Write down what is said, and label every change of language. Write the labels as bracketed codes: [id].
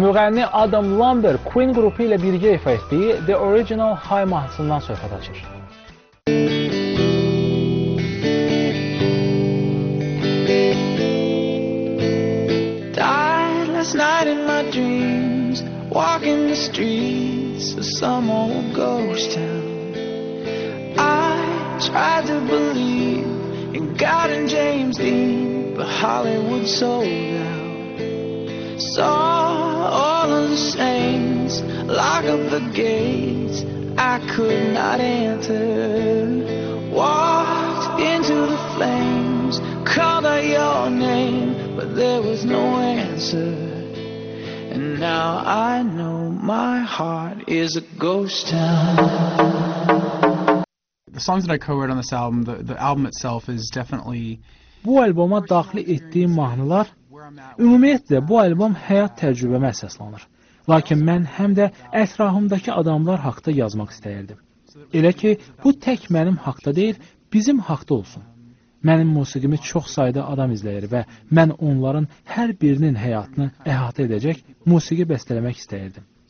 [az] Müğənni Adam Lambert Queen qrupu ilə birgə ifa etdiyi The Original High mahnısından söhbət açır. [en] Walking the streets of some old ghost town, I tried to believe in God and James Dean, but Hollywood sold out. Saw all of the saints lock up the gates I could not enter. Walked into the flames, called out your name, but there was no answer. And now I know my heart is a ghost town. The songs that I co-wrote on this album, the album itself is definitely. [az] Bu albuma daxil etdiyim mahnılar, ümumiyyətlə bu albom həyat təcrübəmə əsaslanır. Lakin mən həm də ətrafımdakı adamlar haqqında yazmaq istəyirdim. Elə ki, bu tək mənim haqqında deyil, bizim haqqında olsun. Mənim musiqimi çox sayda adam izləyir və mən onların hər birinin həyatını əhatə edəcək musiqi bəstələmək istəyirdim.